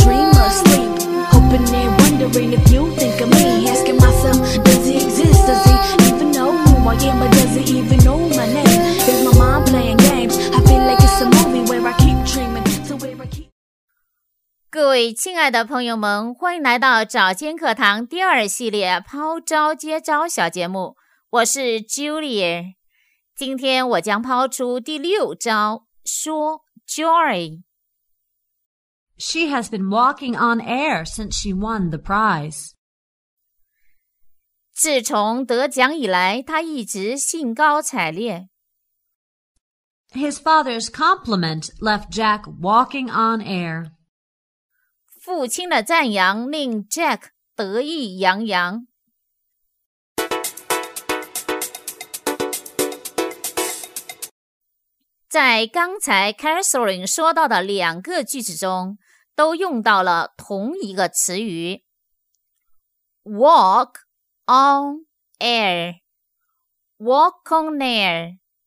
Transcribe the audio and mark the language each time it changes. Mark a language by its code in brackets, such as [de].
[en] wondering if you think of me. Asking myself, does he exist? Does he even know who I am? Or does he even know my name? Is my mind playing games? I feel like it's a movie where I keep dreaming. So where I keep... [zh] 各位亲爱的朋友们，欢迎来到找间课堂第二系列抛招接招小节目。我是 Julia。今天我将抛出第六招，说 Joy。 [en] She has been walking on air since she won the prize. [zh] 自从得奖以来，她一直兴高采烈。 [en] His father's compliment left Jack walking on air. [zh] 父亲的赞扬令 Jack 得意洋洋。在刚才 Catherine 说到的两个句子中，都用到了同一个词语 walk on air, walk on air。